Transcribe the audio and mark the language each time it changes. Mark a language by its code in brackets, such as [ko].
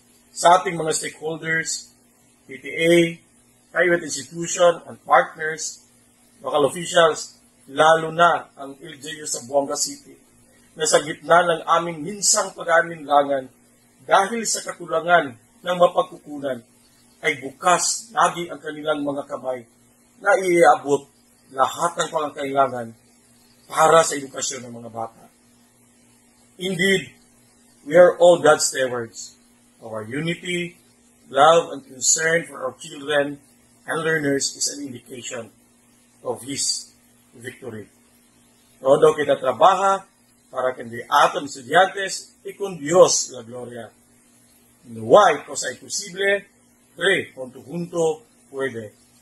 [tl] Sa ating mga stakeholders, PTA, [en] private institution and partners, [tl] local officials, lalo na ang LGU sa Buanga City, na sa gitna ng aming minsang pag-aaninlangan dahil sa kakulangan ng mapagkukunan, ay bukas lagi ang kanilang mga kamay na iiabot lahat ng pangangailangan para sa edukasyon ng mga bata. [en] Indeed, we are all God's stewards. Our unity, love, and concern for our children and learners is an indication of His victory. [cbk] Todo kita trabaja para kundi atong estudiantes y con Dios la gloria. No hay cosa imposible, cree junto junto puede.